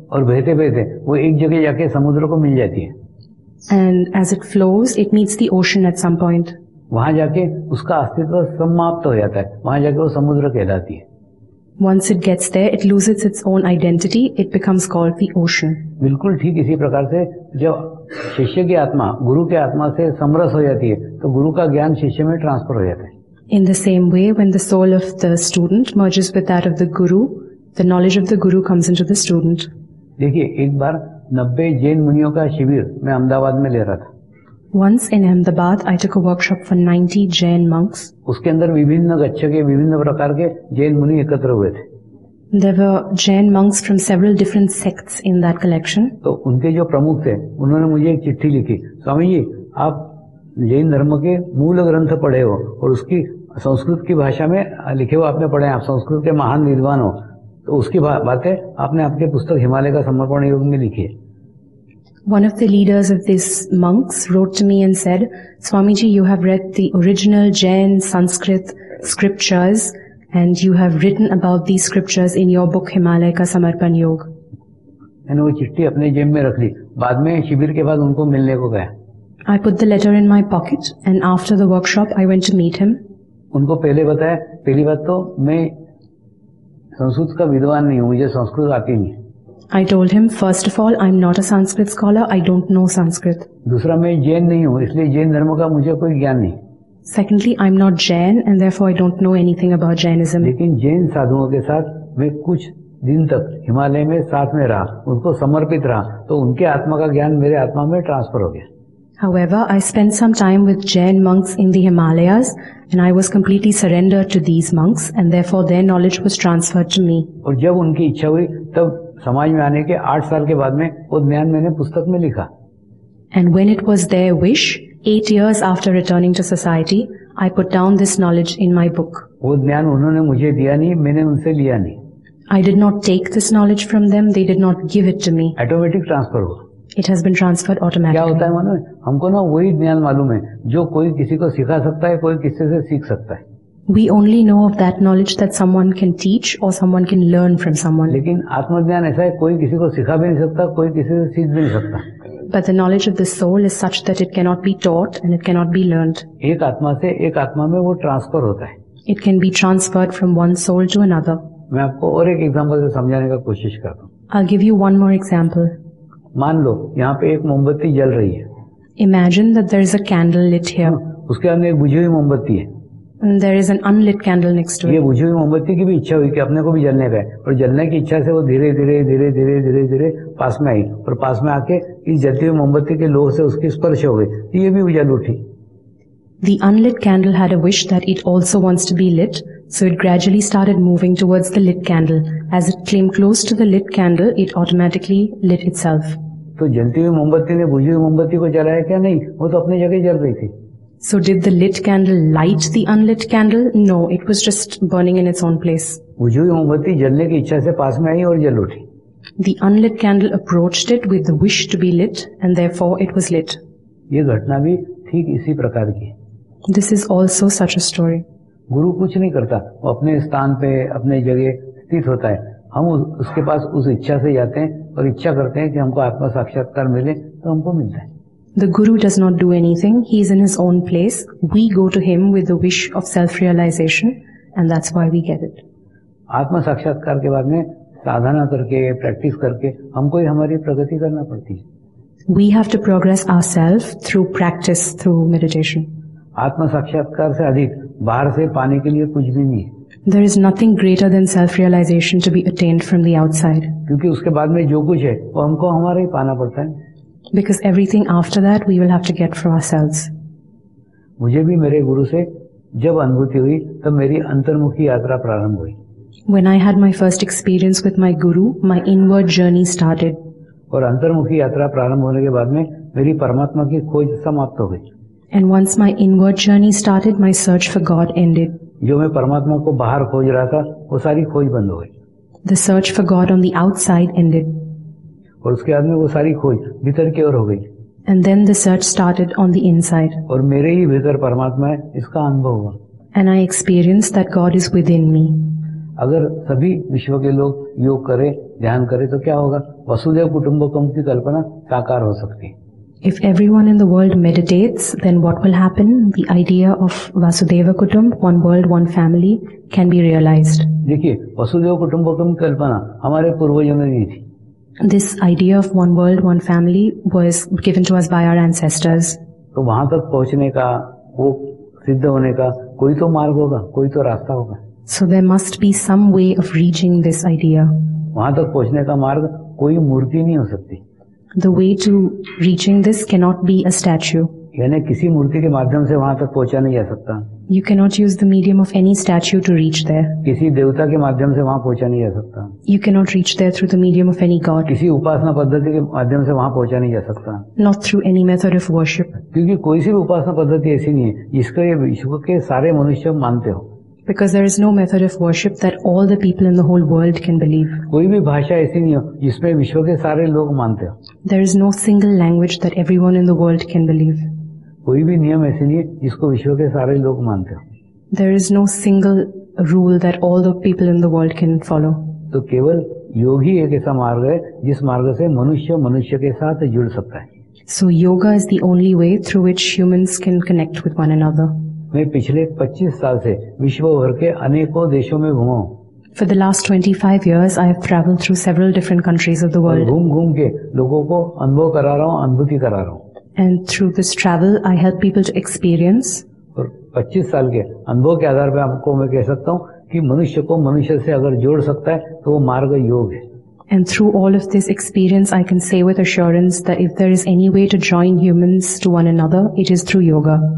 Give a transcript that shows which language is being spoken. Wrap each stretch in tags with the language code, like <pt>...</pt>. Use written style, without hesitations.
<hi>और बहते बहते वो एक जगह जाके समुद्र को मिल जाती है.</hi> <en>And as it flows, it meets the ocean at some point.</en> <hi>वहां जाके उसका अस्तित्व समाप्त हो जाता है, वहां जाके वो समुद्र कहलाती है.</hi> <en>Once it gets there, it loses its own identity, it becomes called the ocean.</en> <hi>बिल्कुल ठीक इसी प्रकार से जब शिष्य की आत्मा गुरु के आत्मा से समरस हो जाती है तो गुरु का ज्ञान शिष्य में ट्रांसफर हो जाता है.</hi> <en>In the same way, when the soul of the student merges with that of the guru, the knowledge of the guru comes into the student.</en> <hi>देखिए एक बार 90 जैन मुनियों का शिविर मैं अहमदाबाद में ले रहा था.</hi> <en>Once in Ahmedabad, I took a workshop for 90 Jain monks.</en> <hi>उसके अंदर विभिन्न गच्छ के विभिन्न प्रकार के जैन मुनि एकत्र हुए थे.</hi> <en>There were Jain monks from several different sects in that collection.</en> <hi>तो उनके जो प्रमुख थे उन्होंने मुझे एक चिट्ठी लिखी, स्वामी जी आप जैन धर्म के मूल ग्रंथ पढ़े हो और उसकी संस्कृत की भाषा में लिखे हो आपने पढ़े, आप संस्कृत के महान विद्वान हो तो उसकी बातें आपने आपके पुस्तक हिमालय का समर्पण योग में लिखी है.</hi> <en>One of the leaders of these monks wrote to me and said, Swamiji, you have read the original Jain Sanskrit scriptures and you have written about these scriptures in your book Himalaya ka Samarpan Yog.</en> <hi>मैंने वो चिट्ठी अपने जेब में रख ली. बाद में शिविर के बाद उनको मिलने को गया.</hi> <en>I put the letter in my pocket and after the workshop I went to meet him.</en> <hi>उनको पहले बताया, पहली बात तो मैं संस्कृत का विद्वान नहीं हूँ, मुझे संस्कृत आती नहीं.</hi> <en>I told him, first of all, I'm not a Sanskrit scholar. I don't know Sanskrit.</en> <hi>दूसरा मैं जैन नहीं हूँ, इसलिए जैन धर्म का मुझे कोई ज्ञान नहीं.</hi> <en>Secondly, I'm not Jain and therefore I don't know anything about Jainism.</en> <hi>लेकिन जैन साधुओं के साथ मैं कुछ दिन तक हिमालय में साथ में रहा, उनको समर्पित रहा, तो उनके आत्मा का ज्ञान मेरे आत्मा में ट्रांसफर हो गया.</hi> <en>However, I spent some time with Jain monks in the Himalayas and I was completely surrendered to these monks and therefore their knowledge was transferred to me.</en> <hi>और जब उनकी इच्छा हुई तब समाज में आने के 8 साल के बाद में वो ज्ञान मैंने पुस्तक में लिखा.</hi> <en>And when it was their wish, 8 years after returning to society, I put down this knowledge in my book.</en> <hi>वो ज्ञान उन्होंने मुझे दिया नहीं, मैंने उनसे लिया नहीं.</hi> <en>I did not take this knowledge from them, they did not give it to me. Automatic transfer</en> <hi>हुआ.</hi> <en>It has been transferred automatically.</en> <hi>क्या होता है मानो, हमको ना वही ज्ञान मालूम है जो कोई किसी को सिखा सकता है, कोई किसी से सीख सकता है.</hi> <en>We only know of that knowledge that someone can teach or someone can learn from someone.</en> <hi>लेकिन आत्मज्ञान ऐसा है कोई किसी को सिखा भी नहीं सकता, कोई किसी से सीख भी नहीं सकता.</hi> <en>But the knowledge of the soul is such that it cannot be taught and it cannot be learned.</en> <hi>एक आत्मा से एक आत्मा में वो ट्रांसफर होता है.</hi> <en>It can be transferred from one soul to another.</en> <hi>मैं आपको और एक एग्जांपल से समझाने का कोशिश करता हूँ.</hi> <en>I'll give you one more example.</en> <hi>मान लो यहाँ पे एक मोमबत्ती जल रही है.</hi> <en>Imagine that there is a candle lit here.</en> <hi>उसके अंदर एक बुझी हुई मोमबत्ती है.</hi> <en>And there is an unlit candle next to it.</en> <hi>ये बुझी हुई मोमबत्ती की भी इच्छा हुई कि अपने को भी जलने का है, और जलने की इच्छा से वो धीरे धीरे धीरे धीरे धीरे धीरे पास में आई और पास में आके इस जलती हुई मोमबत्ती के लोह से उसकी स्पर्श हो गई तो ये भी उजल उठी.</hi> <en>The unlit candle had a wish that it also wants to be lit, so it gradually started moving towards the lit candle. As it came close to the lit candle, it automatically lit itself.</en> <hi>तो जलती हुई मोमबत्ती ने बुझी हुई मोमबत्ती को जलाया क्या? नहीं, वो तो अपनी जगह जल रही थी.</hi> <en>So did the lit candle light the unlit candle? No, it was just burning in its own place.</en> <hi>बुझी हुई मोमबत्ती जलने की इच्छा से पास में आई और जल उठी.</hi> <en>The unlit candle approached it with the wish to be lit and therefore it was lit.</en> <hi>ये घटना भी ठीक इसी प्रकार की.</hi> <en>This is also such a story.</en> <hi>गुरु कुछ नहीं करता, वो अपने स्थान पे अपने जगह स्थित होता है। हम उसके पास उस इच्छा से जाते हैं और इच्छा करते हैं कि हमको आत्म साक्षात्कार मिले, तो हमको मिलता है।</hi> <en>The guru does not do anything, he is in his own place, we go to him with the wish of self realisation and that's why we get it.</en> <hi>आत्म साक्षात्कार के बाद में साधना करके प्रैक्टिस करके हमको ही हमारी प्रगति करना पड़ती है।</hi> <en>We have to progress ourself through practice through meditation.</en> <hi>आत्म साक्षात्कार से अधिक बाहर से पाने के लिए कुछ भी नहीं है।</hi> <en>there is nothing greater than self realisation to be attend from the outside,</en> <hi>क्योंकि उसके बाद में जो कुछ है वो हमको हमारा ही पाना पड़ता है।</hi> <en>Because everything after that we will have to get for ourself.</en> <hi>मुझे भी मेरे गुरु से जब अनुभूति हुई तब मेरी अंतर्मुखी यात्रा प्रारंभ हुई।</hi> <en>When I had my first experience with my guru, my inward journey started.</en> <hi>और अंतर्मुखी यात्रा प्रारंभ होने के बाद में मेरी परमात्मा की खोज समाप्त हो गई।</hi> <en>And once my inward journey started, my search for God ended.</en> <hi>जो मैं परमात्मा को बाहर खोज रहा था, वो सारी खोज बंद हो गई।</hi> <en>The search for God on the outside ended.</en> <hi>और उसके बाद में वो सारी खोज भीतर की ओर हो गई।</hi> <en>And then the search started on the inside.</en> <hi>और मेरे ही भीतर परमात्मा है, इसका अनुभव हुआ।</hi> <en>And I experienced that God is within me.</en> <hi>अगर सभी विश्व के लोग योग करें, ध्यान करें, तो क्या होगा? वसुधैव कुटुंबकम की कल्पना साकार हो सकती है।</hi> <en>If everyone in the world meditates, then what will happen? The idea of Vasudeva Kutumb, one world, one family, can be realized.</en> <hi>देखिए, वसुधैव कुटुंबकम की कल्पना हमारे पूर्वजों ने दी थी।</hi> <en>This idea of one world, one family was given to us by our ancestors.</en> <hi>तो वहां तक पहुंचने का, वो सिद्ध होने का कोई तो मार्ग होगा, कोई तो रास्ता होगा।</hi> <en>So there must be some way of reaching this idea.</en> <hi>वहां तक पहुंचने का मार्ग कोई मूर्ति नहीं हो सकती।</hi> <en>The way to reaching this cannot be a statue.</en> <hi>यानी किसी मूर्ति के माध्यम से वहां तक पहुंचा नहीं जा सकता।</hi> <en>You cannot use the medium of any statue to reach there.</en> <hi>किसी देवता के माध्यम से वहां पहुंचा नहीं जा सकता।</hi> <en>You cannot reach there through the medium of any god.</en> <hi>किसी उपासना पद्धति के माध्यम से वहां पहुंचा नहीं जा सकता।</hi> <en>Not through any method of worship.</en> <hi>क्योंकि कोई सी भी उपासना पद्धति ऐसी नहीं है जिसका विश्व के सारे मनुष्य मानते हो।</hi> <en>Because there is no method of worship that all the people in the whole world can believe.</en> <hi>कोई भी भाषा ऐसी नहीं हो जिसमें विश्व के सारे लोग मानते हो।</hi> <en>There is no single language that everyone in the world can believe.</en> <hi>कोई भी नियम ऐसे नहीं है जिसको विश्व के सारे लोग मानते हो।</hi> <en>There is no single rule that all the people in the world can follow.</en> <hi>तो केवल योग ही एक ऐसा मार्ग है जिस मार्ग से मनुष्य मनुष्य के साथ जुड़ सकता है।</hi> <en>So yoga is the only way through which humans can connect with one another.</en> <hi>मैं पिछले 25 साल से विश्व भर के अनेकों देशों में घूमा हूँ।</hi> <en>For the last 25 years, I have traveled through several different countries of the world.</en> <hi>घूम-घूम के लोगों को अनुभव करा रहा हूँ, अनुभूति करा रहा हूँ।</hi> <en>And through this travel, I help people to experience.</en> <hi>और 25 साल के अनुभव के आधार पर आपको मैं कह सकता हूँ कि मनुष्य को मनुष्य से अगर जोड़ सकता है तो वो मार्ग योग है।</hi> <en>And through all of this experience, I can say with assurance that if there is any way to join humans to one another, it is through yoga.</en>